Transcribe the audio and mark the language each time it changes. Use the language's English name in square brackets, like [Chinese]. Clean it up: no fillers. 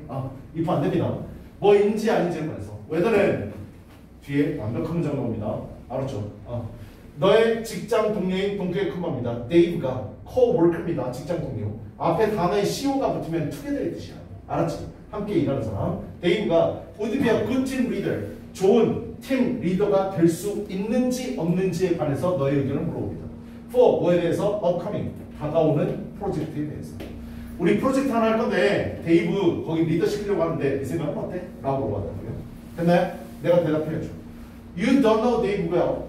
[Korean] 아, if 안 됩니다. 뭐 인지 아닌지에 관해서. whether는 뒤에 완벽한 문장 나옵니다. 알았죠? 아, 너의 직장 동료인 동료의 컴퍼입니다. Dave가 co-worker입니다. 직장 동료. 앞에 단어에 co가 붙으면 together의 뜻이야. 알았지? 함께 일하는 사람. [English] Dave가 would be a good team leader. [Korean] 좋은 팀 리더가 될 수 있는지 없는지에 관해서 너의 의견을 물어봅니다. For 뭐에 대해서? Upcoming, 다가오는 프로젝트에 대해서. 우리 프로젝트 하나 할 건데 데이브 거기 리더 시키려고 하는데 네 생각은 어때? 라고 물어봤다고요. 됐나요? 내가 대답해야죠. You don't know Dave well.